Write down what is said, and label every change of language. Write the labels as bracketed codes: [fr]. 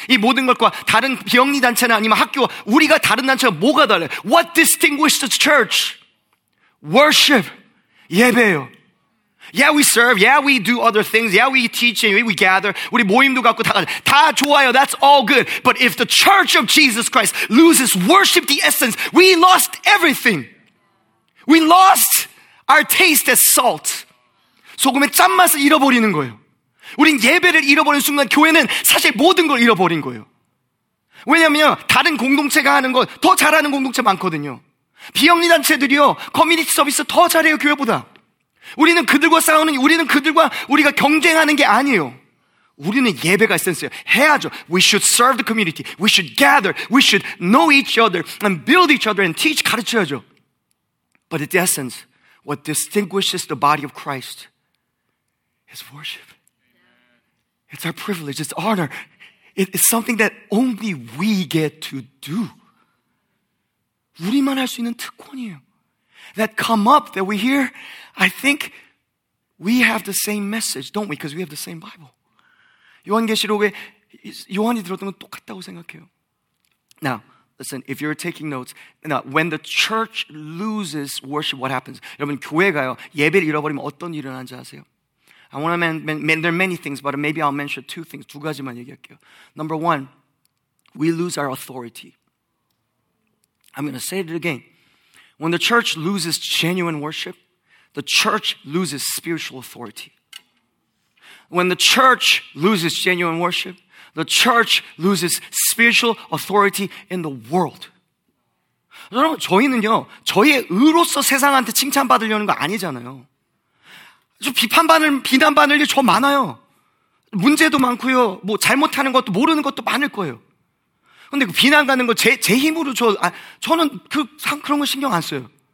[ko] 이 모든 것과 다른 비영리단체나 아니면 학교, 우리가 다른 단체가 뭐가 달라요? [en] What distinguishes the church? Worship, 예배요. Yeah, we serve. Yeah, we do other things. Yeah, we teach. We gather. [ko] 우리 모임도 갖고 다 다 좋아요. [en] That's all good. But if the church of Jesus Christ loses worship, the essence, we lost everything. We lost our taste as salt. [ko] 소금의 짠맛을 잃어버리는 거예요. 우린 예배를 잃어버린 순간 교회는 사실 모든 걸 잃어버린 거예요. 왜냐하면 다른 공동체가 하는 것 더 잘하는 공동체 많거든요. 비영리단체들이요. 커뮤니티 서비스 더 잘해요, 교회보다. 우리는 그들과 싸우는, 우리는 그들과 우리가 경쟁하는 게 아니에요. 우리는 예배가 있어요. 해야죠. [en] We should serve the community. We should gather. We should know each other and build each other and teach, [ko] 가르쳐야죠. [en] But in the essence, what distinguishes the body of Christ is worship. It's our privilege. It's honor. It's something that only we get to do. [ko] 우리만 할 수 있는 특권이에요. [en] That come up, that we hear, I think we have the same message, don't we? Because we have the same Bible. [ko] 요한계시록에 요한이 들었던 건 똑같다고 생각해요. [en] Now, listen, if you're taking notes, now, when the church loses worship, what happens? [ko] 여러분, 교회가요, 예배를 잃어버리면 어떤 일이 일어나는지 아세요? [en] I want to mention, there are many things, but maybe I'll mention two things, [ko] 두 가지만 얘기할게요. [en] Number one, we lose our authority. I'm going to say it again. When the church loses genuine worship, the church loses spiritual authority. When the church loses genuine worship, the church loses spiritual authority in the world. [ko] 여러분, 저희는요, 저희의 의로서 세상한테 칭찬받으려는 거 아니잖아요. 저 비판받을, 비난받을 일 저 많아요. 문제도 많고요, 뭐 잘못하는 것도 모르는 것도 많을 거예요. 근데 그 비난 가는 거 제 힘으로 저는 그런 거 신경 안 써요.